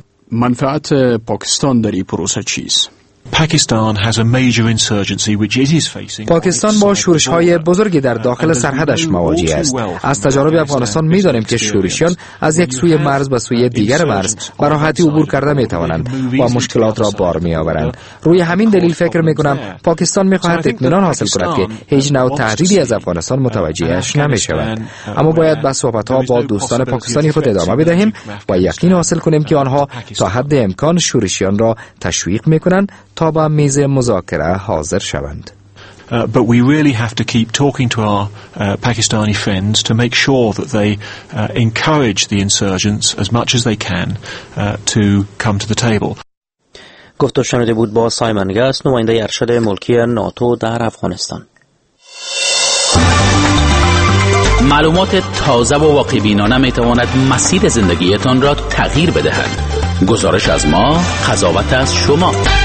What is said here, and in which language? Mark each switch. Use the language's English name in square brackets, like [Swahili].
[Persian] منفعت پاکستان در این پروسه چیست؟ [English] Pakistan has a major insurgency which it is facing. [Persian] پاکستان با شورش‌های بزرگی در داخل سرحدش مواجه است. از تجارب افغانستان می‌دانیم که شورشیان از یک سوی مرز به سوی دیگر مرز به راحتی عبور کرده می‌توانند و مشکلات را بار می‌آورند. روی همین دلیل فکر می‌کنم پاکستان می‌خواهد اطمینان حاصل کند که هیچ نوع تهدیدی از افغانستان متوجهش نمی‌شود. اما باید با صحبت‌ها با دوستان پاکستانی خود ادامه بدهیم و یقین حاصل کنیم که آنها تا حد امکان شورشیان را تشویق می‌کنند تا با میز مذاکره حاضر شوند. [English] But we really have to keep talking to our Pakistani friends to make sure that they encourage the insurgents as much as they can to come to the table. [Persian] گفت و شنیده بود با سایمن گاس، نماینده ارشد ملکی ناتو در افغانستان. معلومات تازه و واقعی بینانه می تواند مسیر زندگیتان را تغییر بدهد. گزارش از ما، قضاوت از شما.